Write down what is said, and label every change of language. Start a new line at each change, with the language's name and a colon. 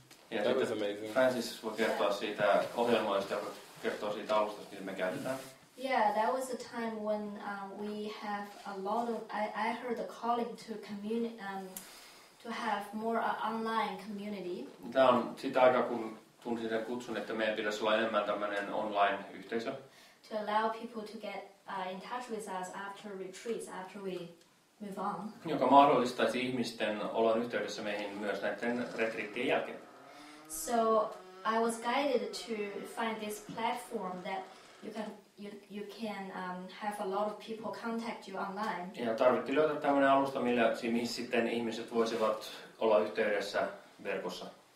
English: Ja that was amazing.
Finnish: Francis voi kertoa siitä ohjelmoista, kertoo siitä alustasta, mitä me käytetään.
English: Yeah, that was a time when we have a lot of I heard the calling to community to have more online community.
Finnish: Tämä on sitä aikaa, kun tunsin sen kutsun, että meidän pitäisi olla enemmän tämmöinen online yhteisö.
English: To allow people to get in touch with us after retreats, after we move on.
Finnish: Joka mahdollistaisi ihmisten olon yhteydessä meihin myös näiden retriittien jälkeen.
English: So I was guided to find this platform that you can have a lot of people contact you online.
Finnish: Ja tarvittiin löytää tämmöinen alusta, missä sitten ihmiset voisivat olla yhteydessä verkossa.